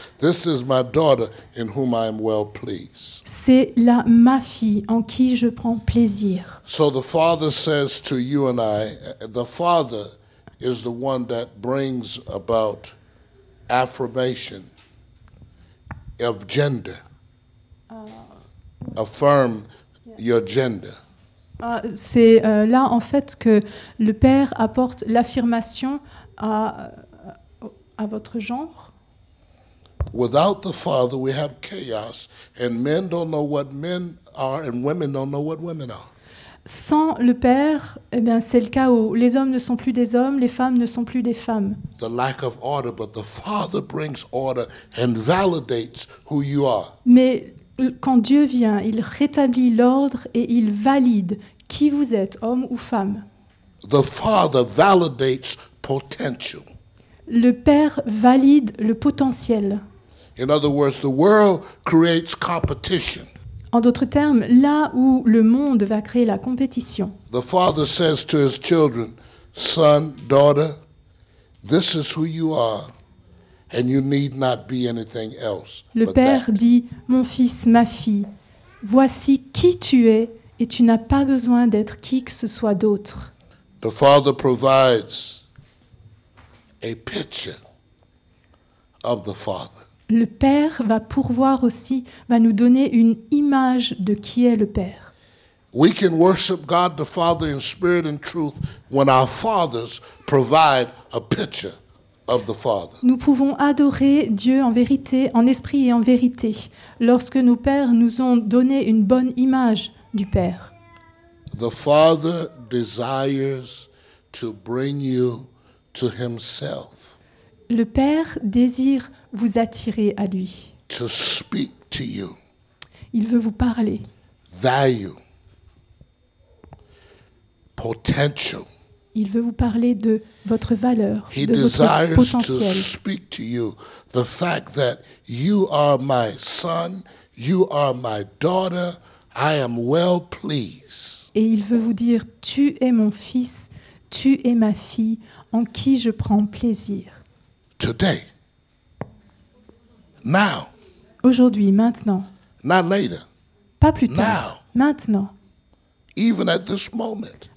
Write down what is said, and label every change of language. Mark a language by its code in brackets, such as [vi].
[en] This is my daughter in whom I am well pleased. [fr] C'est la ma fille en qui je prends plaisir. [en] So the Father says to you and I, the Father is the one that brings about affirmation of gender. Affirm your gender. [fr] C'est là en fait que le Père apporte l'affirmation à votre genre. [en] Without the Father, we have chaos, and men don't know what men are, and women don't know what women are. [fr] Sans le Père, eh bien, c'est le chaos. Les hommes ne sont plus des hommes, les femmes ne sont plus des femmes. [en] The lack of order, but the Father brings order and validates who you are. [fr] Mais quand Dieu vient, il rétablit l'ordre et il valide qui vous êtes, homme ou femme. [en] The Father validates potential. [fr] Le Père valide le potentiel. [en] In other words, the world creates competition. [fr] En d'autres termes, là où le monde va créer la compétition. [en] The Father says to his children, son, daughter, this is who you are. And you need not be anything else. [fr] Le Père dit, mon fils, ma fille, voici qui tu es et tu n'as pas besoin d'être qui que ce soit d'autre. [en] The Father provides a picture of the Father. [fr] Le Père va pourvoir aussi, va nous donner une image de qui est le Père. [en] We can worship God the Father in spirit and truth when our fathers provide a picture. Of the Father. [fr] Nous pouvons adorer Dieu en vérité, en esprit et en vérité, lorsque nos pères nous ont donné une bonne image du Père. [en] The Father desires to bring you to himself. [fr] Le Père désire vous attirer à lui. [en] To speak to you. [fr] Il veut vous parler. [en] Value. Potential. [fr] Il veut vous parler de votre valeur, [en] he [fr] de votre potentiel. [en] To speak to you the fact that you are my son, you are my daughter, I am well pleased. [fr] Et il veut vous dire, tu es mon fils, tu es ma fille, en qui je prends plaisir. [en] Today. Now. [fr] Aujourd'hui, maintenant. [en] Not later. [fr] Pas plus tard. [en] Now. [fr] Maintenant. [en] Even at this moment.